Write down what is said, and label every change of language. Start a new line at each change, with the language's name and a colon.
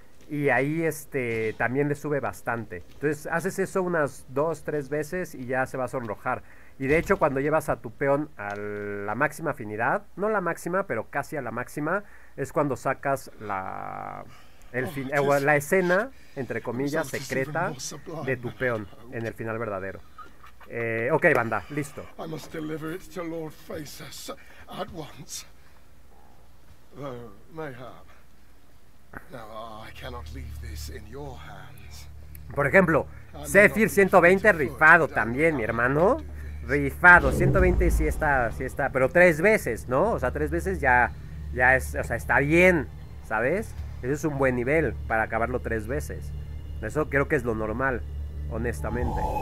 Spanish: Y ahí también le sube bastante. Entonces haces eso unas 2-3 veces y ya se va a sonrojar. Y de hecho, cuando llevas a tu peón a la máxima afinidad, no la máxima, pero casi a la máxima, es cuando sacas la escena, entre comillas, secreta de tu peón en el final verdadero. Ok, banda, listo.
English: I must deliver it to Lord Faces at once. Now, I cannot leave this in your hands.
Spanish: Por ejemplo, Zephyr 120 rifado también, mi hermano. Rifado, 120 sí está, pero tres veces, ¿no? O sea, tres veces ya es, o sea, está bien, ¿sabes? Ese es un buen nivel para acabarlo tres veces. Eso creo que es lo normal, honestamente.